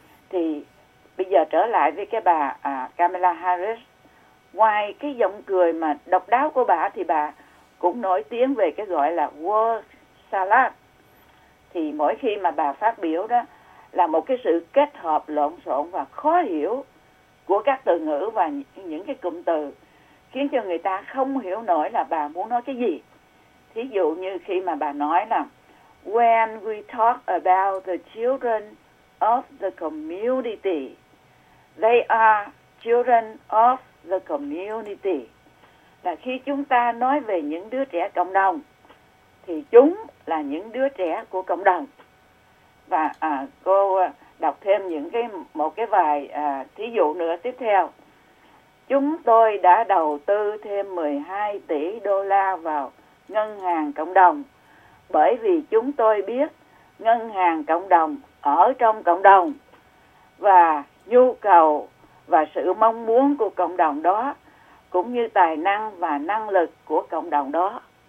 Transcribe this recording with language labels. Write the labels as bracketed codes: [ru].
[vi] Thì bây giờ trở lại với cái bà Kamala Harris, ngoài cái giọng cười mà độc đáo của bà thì bà cũng nổi tiếng về cái gọi là word salad. Thì mỗi khi mà bà phát biểu đó là một cái sự kết hợp lộn xộn và khó hiểu của các từ ngữ và những cái cụm từ, khiến cho người ta không hiểu nổi là bà muốn nói cái gì. Thí dụ như khi mà bà nói là [en] when we talk about the children of the community, they are children of the community. [vi] Là khi chúng ta nói về những đứa trẻ cộng đồng, thì chúng là những đứa trẻ của cộng đồng. Và cô đọc thêm những cái một cái vài thí dụ nữa tiếp theo. Chúng tôi đã đầu tư thêm 12 tỷ đô la vào ngân hàng cộng đồng, bởi vì chúng tôi biết ngân hàng cộng đồng ở trong cộng đồng, và nhu cầu và sự mong muốn của cộng đồng đó, cũng như tài năng và năng lực của cộng đồng đó.